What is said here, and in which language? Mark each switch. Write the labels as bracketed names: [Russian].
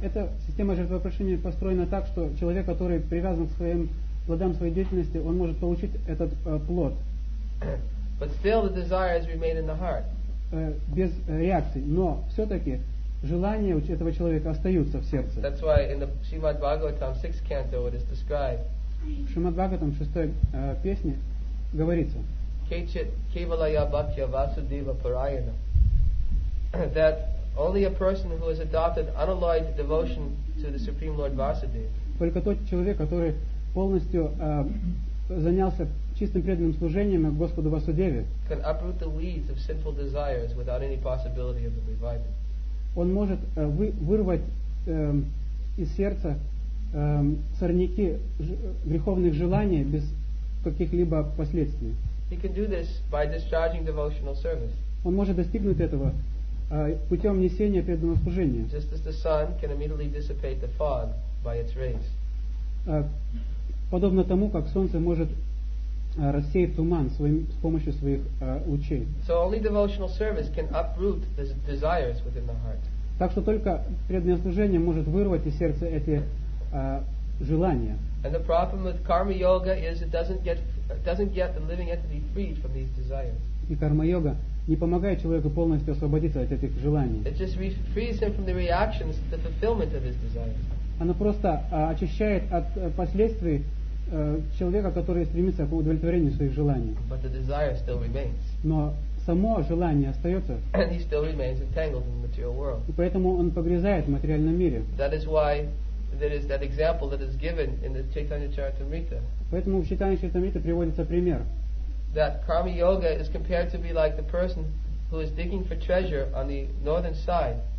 [Russian] Эта система жертвоприношения построена так, что человек, который привязан к своим плодам своей деятельности, он может получить этот плод. [English] But still the desires remain in the heart. [Russian] Без реакции, но все-таки желания у этого человека остаются в сердце. [English] That's why in the Srimad Bhagavatam 6th canto it is described. [Russian] В Шримад Бхагаватам 6-й песне говорится. [Sanskrit] Кечит кевалая бхактия васудева параяна. [English] That only a person who has adopted unalloyed devotion to the Supreme Lord Vasudeva. [Russian] Только тот человек, который полностью занялся чистым преданным служением Господу Васудеве, [English] can uproot the weeds of sinful desires without any possibility of reviving. [Russian] Он может вырвать из сердца сорняки греховных желаний без каких-либо последствий. [English] He can do this by discharging devotional service. [Russian] Он может достигнуть этого путем несения преданного служения. [English] Just as the sun can immediately dissipate the fog by its rays. [Russian] Подобно тому, как солнце может рассеять туман с помощью своих лучей. [English] So only devotional service can uproot the desires within the heart. [Russian] Так что только преданное служение может вырвать из сердца эти желания. [English] And the problem with karma yoga is it doesn't get the living entity freed from these desires. [Russian] И карма йога не помогает человеку полностью освободиться от этих желаний. [English] It just frees him from the reactions to the fulfillment of his desires. [Russian] Она просто очищает от последствий человека, который стремится к удовлетворению своих желаний. [English] But the desire still remains. [Russian] Но само желание остается. [English] And he still remains entangled in the material world. [Russian] И поэтому он погрязает в материальном мире. [English] That is why there is that example that is given in the Chaitanya Charitamrita. [Russian] Поэтому в Чайтанья Чаритамрите приводится пример. [English] That karma yoga is compared to be like the person who is digging for treasure on the northern side.